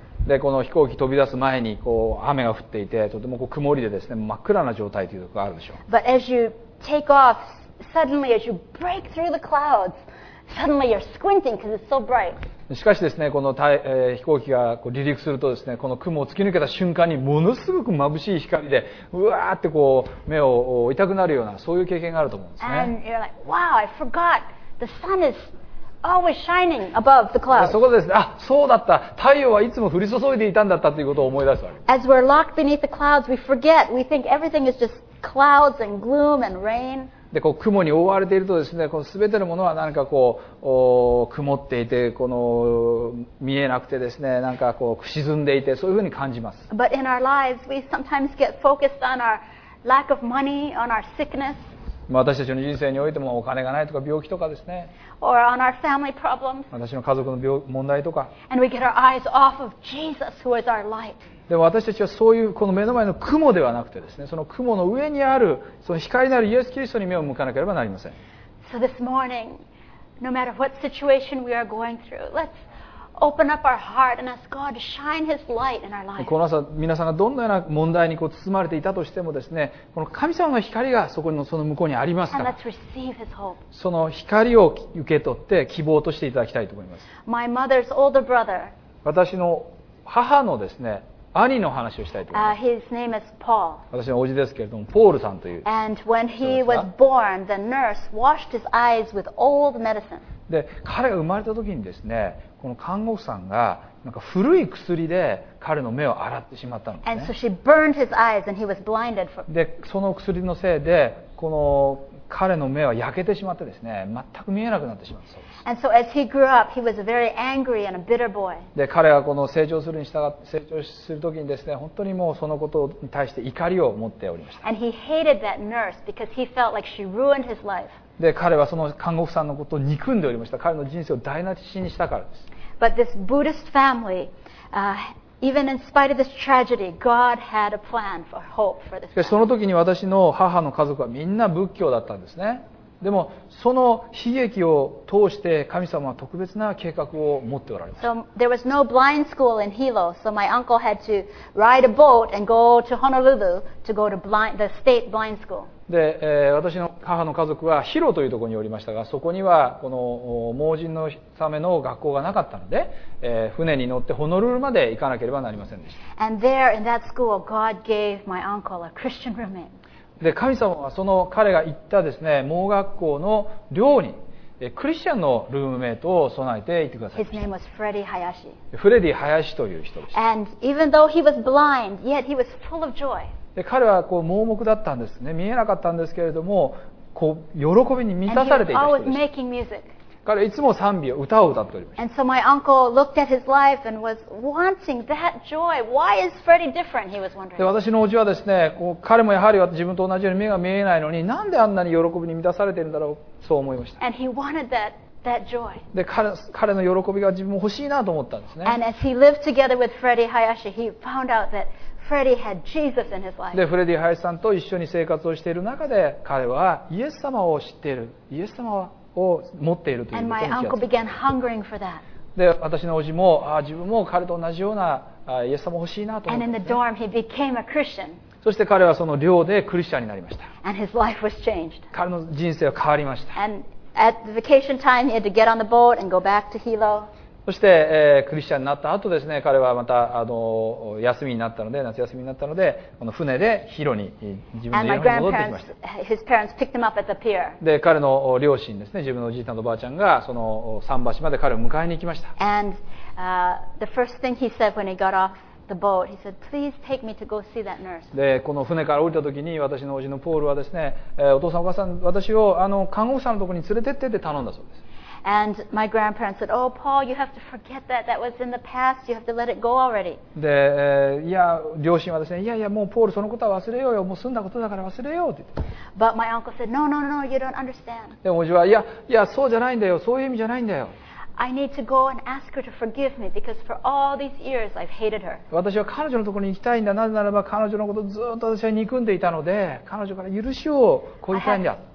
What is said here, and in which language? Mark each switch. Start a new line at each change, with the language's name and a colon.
Japanese: でこの飛行機飛び出す前にこう雨が降っていてとてもこう曇りでですね真っ暗な状態というところがあるでしょう。
English: But as you take off, suddenly as you break through the clouds,Suddenly you're squinting because it's so bright.
Japanese: しかしですね、この飛行機がこう離陸するとですね、この雲を突き抜けた瞬間にものすごく眩しい光で、うわーってこう目を痛くなるようなそういう経験があると思うんですね。
English: And you're like, wow, I forgot the sun is always shining above the clouds.
Japanese: そこでですね、あ、そうだった、太陽はいつも降り注いでいたんだったということを思い出すわけです。
English: As we're locked beneath the clouds, we forget. We think everything is just clouds and gloom and rain.
Japanese: でこう雲に覆われているとですね、この全てのものは何かこう曇っていてこの見えなくてですね、何かこう沈んでいてそういうふうに感じます。
English: But in our lives, we sometimes get focused on our lack of money, on our sickness.
Japanese: 私たちの人生においてもお金がないとか病気とかですね。
English: Or on our family problems.
Japanese: 私の家族の問題とか。
English: And we get our eyes off of Jesus, who is our light.
Japanese: でも私たちはそういうこの目の前の雲ではなくてですね、その雲の上にあるその光のあるイエス・キリストに目を向かなければなりません。
English: So this morning, no matter what situation we are going through, let's open up our heart and ask God to shine His light in our life.
Japanese: この朝、皆さんがどんなような問題にこう包まれていたとしてもですね、この神様の光がそこのその向こうにありますから。
English: And let's receive His hope.
Japanese: その光を受け取って希望としていただきたいと思います。
English: My mother's older brother.
Japanese: 私の母のですね。兄の話をしたいと思います。
English: His name is Paul.
Japanese: 私の叔父ですけれども、ポールさんという。
English: And when he was born, the nurse washed his eyes with old medicine.
Japanese: で、彼が生まれた時にですね、この看護婦さんがなんか古い薬で彼の目を洗ってしまったんですね。
English: And so she burned his eyes and he was blinded for...
Japanese: で、その薬のせいで、この彼の目は焼けてしまってですね、全く見えなくなってしまったそうです。
English: And so as he grew up, he was a very angry and a bitter boy.
Japanese: で、彼はこの成長するに従って成長するときにですね、本当にもうそのことに対して怒りを持っておりました。
English: And he hated that nurse because he felt like she ruined his life.
Japanese: で、彼はその看護婦さんのことを憎んでおりました。彼の人生を台無しにしたからです。
English: But this Buddhist family, even in spite of this tragedy, God had a plan for hope for this.
Japanese: その時に私の母の家族はみんな仏教だったんですね。でもその悲劇を通して神様は特別な計画を持っておられました。
English: So there was no blind school in Hilo, so my uncle had to ride a boat and go to Honolulu to go to the state blind school.
Japanese: で、私の母の家族はヒロというところにおりましたが、そこにはこの盲人のための学校がなかったので、船に乗ってホノルルまで行かなければなりませんでした。
English: And there in that school, God gave my uncle a Christian roommate.
Japanese: で神様はその彼が行ったですね盲学校の寮にクリスチャンのルームメイトを備えていてくださいました。
English: His name was Freddy Hayashi.
Japanese: フレディ・ハヤシという人でした。
English: And even though he was blind, yet he was full of joy.
Japanese: で彼はこう盲目だったんですね見えなかったんですけれどもこう喜びに満たされていた人でした。
English: And he was always making music.
Japanese: 彼はいつも賛美を歌を歌っておりました。
English: And so my uncle looked at his life and was wanting that joy. Why is Freddy different? He was wondering.
Japanese: で私のおじはですねこう彼もやはり自分と同じように目が見えないのになんであんなに喜びに満たされているんだろうそう思いました。
English: And he wanted that joy.
Japanese: で彼の喜びが自分も欲しいなと思ったんですね。
English: And as he lived together with Freddy Hayashi, he found out that Freddy had Jesus in his life.
Japanese: でフレディ・ハヤシさんと一緒に生活をしている中で彼はイエス様を知っている。イエス様はを持っているということに気がつきました。
English: And my uncle began hungering for that.
Japanese: で私のおじもあ自分も彼と同じようなイエス様欲しいなと思って、
English: ね、And in the dorm, he became a Christian.
Japanese: そして彼はその寮でクリスチャンになりました。
English: And his life was changed.
Japanese: 彼の人生は変わりました。
English: And at the vacation time, he had to get on the boat and go back to Hilo.
Japanese: そして、クリスチャンになった後ですね彼はまた休みになったので夏休みになったのでこの船でヒロに自分の家に戻ってきました。
English: And my grandparents, his parents picked him up at the pier.
Japanese: で彼の両親ですね自分のおじいさんとおばあちゃんがその桟橋まで彼を迎えに行きました。
English: And the first thing he said when he got off the boat, he said, please take me to go see that nurse.
Japanese: でこの船から降りた時に私のおじのポールはですね、お父さんお母さん私を看護婦さんのところに連れてってって頼んだそうです。
English: And my grandparents said, "Oh, Paul, you have to forget that. That was in the past. You have to let it go already."
Japanese: で、いや、両親はですね、いやいや、もうポール、そのことは忘れようよ。もう済んだことだから忘れようって。
English: But my uncle said, "No, no, no, you don't understand."
Japanese: で、おじは、いやいや、そうじゃないんだよ。そういう意味じゃないんだよ。
English: I need to go and ask her to forgive me because for all these years I've hated her.
Japanese: 私は彼女のところに行きたいんだ。なぜならば彼女のことずっと私は憎んでいたので、彼女から許しを乞いたいんだ。